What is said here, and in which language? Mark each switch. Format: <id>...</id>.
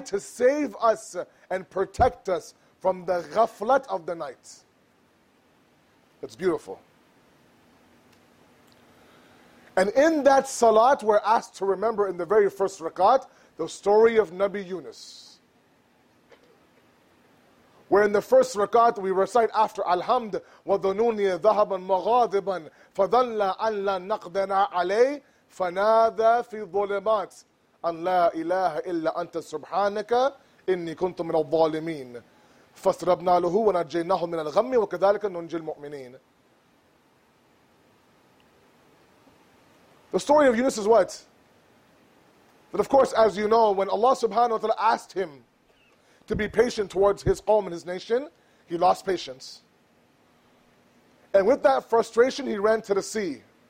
<en>To save us and protect us from the ghaflat of the night. It's beautiful. And in that salat, we're asked to remember in the very first rakat, the story of Nabi Yunus. Where in the first rakat, we recite after Alhamd,</en> <ar>وَذُنُونِيَ ذَهَبًا مَغَاذِبًا فَذَلَّا أَنْ لَا نَقْدَنَا عَلَيْهِ فَنَادَى فِي الظُّلُمَاتِ أَنْ لَا إِلَهَ إِلَّا أَنْتَ سُبْحَانَكَ إِنِّي كُنْتُ مِنَ الظَّالِمِينَ فَاسْتَجَبْنَا لَهُ وَنَجَّيْنَاهُ مِنَ الْغَمِّ وَكَذَلِكَ نُنْجِي الْمُؤْمِنِينَ.</ar> <en>The story of Yunus is what? But of course, as you know, when Allah subhanahu wa ta'ala asked him to be patient towards his qawm and his nation, he lost patience. And with that frustration, he ran to the sea.</en>